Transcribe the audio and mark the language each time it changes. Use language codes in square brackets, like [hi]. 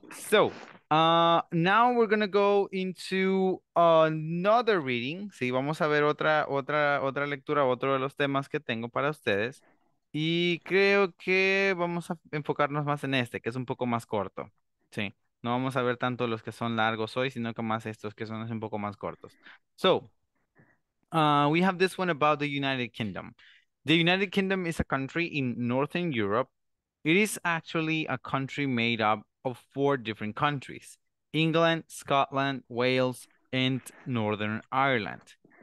[en] So, now we're going to go into another reading. [es] Sí, vamos a ver otra lectura, otro de los temas que tengo para ustedes. Y creo que vamos a enfocarnos más en este, que es un poco más corto. Sí, no vamos a ver tanto los que son largos hoy, sino que más estos que son un poco más cortos. [en] So, we have this one about the United Kingdom. The United Kingdom is a country in Northern Europe. It is actually a country made up of four different countries: England, Scotland, Wales, and Northern Ireland.